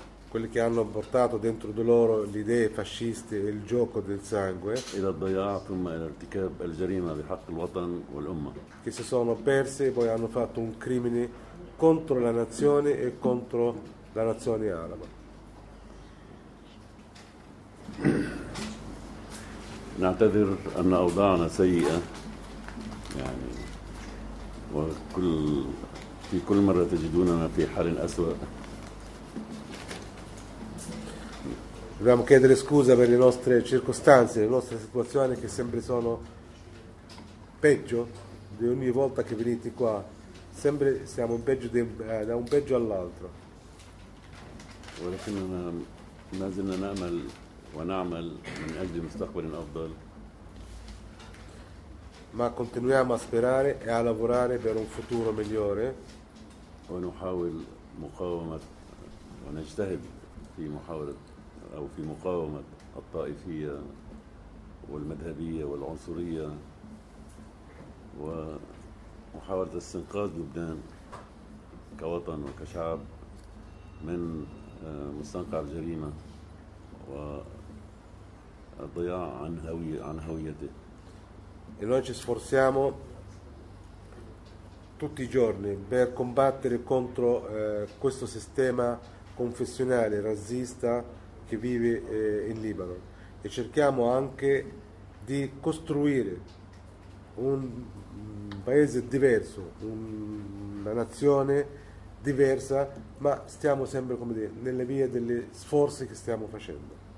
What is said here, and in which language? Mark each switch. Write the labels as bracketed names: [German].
[Italian] Quelli che hanno portato dentro di loro le idee fasciste e il gioco del sangue. [Arabic] إلى الضياع ثم إلى ارتكاب الجريمة بحق الوطن والأمة. [Italian] Che si sono persi e poi hanno fatto un crimine contro la nazione e contro la nazione araba. [Arabic] نعتذر أن أوضاعنا سيئة يعني وكل في كل مرة تجدوننا في حال أسوأ. [Italian] Dobbiamo chiedere scusa per le nostre circostanze, le nostre situazioni che sempre sono peggio di ogni volta che venite qua. Sempre siamo peggio da un peggio all'altro. [Arabic] ولكننا ما زلنا نعمل ونعمل من أجل مستقبل أفضل. [Italian] Ma continuiamo a sperare e a lavorare per un futuro migliore. [Arabic] ونحاول مقاومة ونجتهد في محاولة أو في مقاومة الطائفية والمذهبية والعنصرية ومحاولة استنقاذ لبنان كوطن وكشعب من مستنقع الجريمة والضياع عن هويته. [Italian] E noi ci sforziamo tutti i giorni per combattere contro questo sistema confessionale razzista che vive in Libano e cerchiamo anche di costruire un paese diverso, una nazione diversa, ma stiamo sempre, come dire, nelle vie degli sforzi che stiamo facendo.